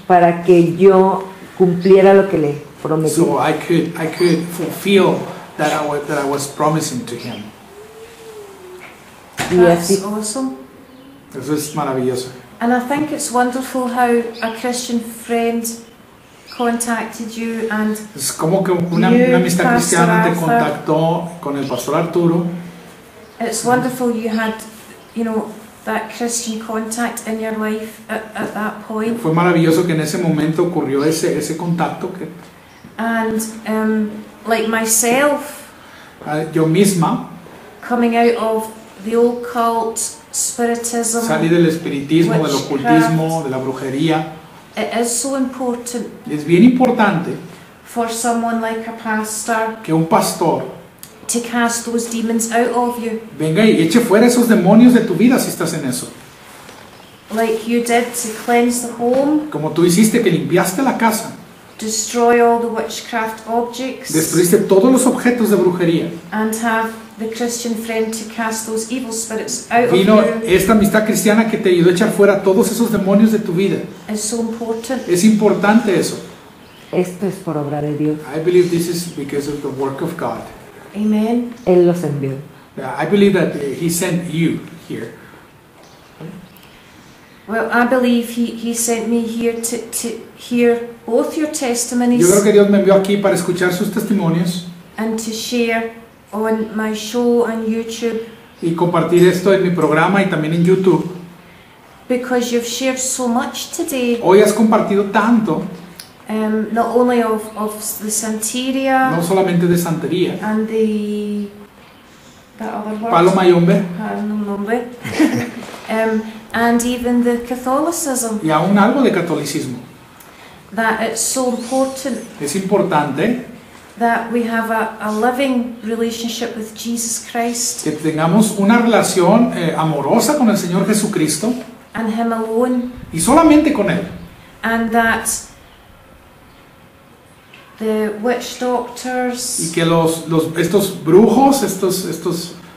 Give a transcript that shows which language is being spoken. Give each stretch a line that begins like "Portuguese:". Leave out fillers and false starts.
Spanish: Para que yo cumpliera lo que le prometí.
English: So I could fulfill that I was promising to Him. That's awesome.
Spanish: Eso es maravilloso.
English: And I think it's wonderful how a Christian friend contacted you and
Spanish: es como que una amistad cristiana te contactó con el pastor Arturo.
English: It's wonderful you had, you know, that Christian contact in your life at that point.
Spanish: Fue maravilloso que en ese momento ocurrió ese contacto que.
English: And like myself,
Spanish: yo misma,
English: coming out of the occult spiritism,
Spanish: salí del espiritismo, del ocultismo, de la brujería.
English: It is so important.
Spanish: Es bien importante.
English: For someone like a pastor,
Spanish: que un pastor,
English: to cast those demons out of you.
Spanish: Venga y eche fuera esos demonios de tu vida si estás en eso.
English: Like you did to cleanse the home.
Spanish: Como tú hiciste que limpiaste la casa.
English: Destroy all the witchcraft objects.
Spanish: Destruiste todos los objetos de brujería.
English: And have the Christian friend to cast those evil spirits out of you.
Spanish: Vino esta amistad cristiana que te ayudó a echar fuera todos esos demonios de tu vida.
English: It's so important.
Spanish: Es importante eso. Esto es por obra de Dios.
English: I believe this is because of the work of God. Amen.
Spanish: Él los envió.
English: I believe that He sent you here. Well, I believe he sent me here to hear both your testimonies.
Spanish: Yo creo que Dios me envió aquí para escuchar sus testimonios.
English: And to share on my show on YouTube.
Spanish: Y compartir esto en mi programa y también en YouTube.
English: Because you've shared so much today.
Spanish: Hoy has compartido tanto.
English: Not only of the Santería.
Spanish: No solamente de Santería.
English: And the that other word.
Spanish: Palo Mayombe.
English: Palomayombe. And even the Catholicism.
Spanish: Y aún algo de catolicismo.
English: That it's so important.
Spanish: Es importante.
English: That we have a living relationship with Jesus Christ.
Spanish: Que tengamos una relación amorosa con el Señor Jesucristo.
English: And Him alone.
Spanish: Y solamente con Él.
English: And that the witch doctors.
Spanish: Y que los estos brujos, estos